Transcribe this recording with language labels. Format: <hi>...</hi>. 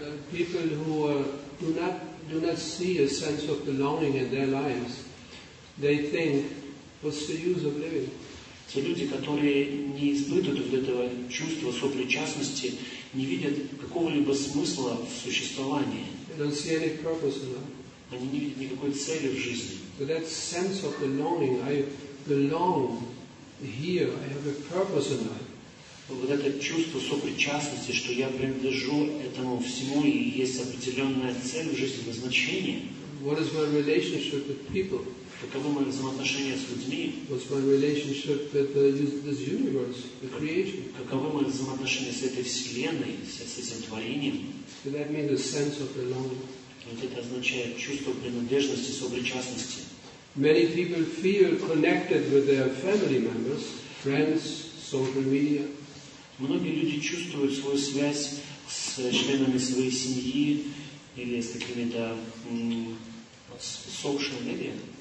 <en>People who do not see a sense of belonging in their lives, they think, what's the use of living?</en> <ru>Те люди, которые не испытывают вот этого чувства сопричастности, не видят какого-либо смысла в существовании.</ru> <en>They don't see any purpose in life.</en> <ru>Они не видят никакой цели в жизни.</ru> <en>So that sense of belonging, I belong here, I have a purpose in life.</en> <ru>Вот это чувство сопричастности, что я принадлежу этому всему и есть определенная цель в жизни, назначение.</ru> <en>What is my relationship with people?</en> <ru>Каково мое взаимоотношение с людьми?</ru> <en>What's my relationship with this universe, the creation?</en> <ru>Каково мое взаимоотношение с этой вселенной, с этим творением?</ru> <en>So that means a sense of belonging.</en> <ru>Вот это означает чувство принадлежности, сопричастности.</ru> <en>Many people feel connected with their family members, friends, social media.</en> <ru>Многие люди чувствуют свою связь с членами своей семьи или с какими-то social media.</ru>